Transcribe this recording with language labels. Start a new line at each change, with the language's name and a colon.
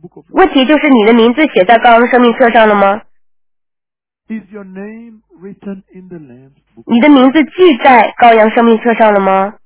Chinese: 问题就是你的名字写在羔羊生命册上了吗？
English: Is your name written in the Lamb Book of Life?
Chinese: 你的名字记在羔羊生命册上了吗？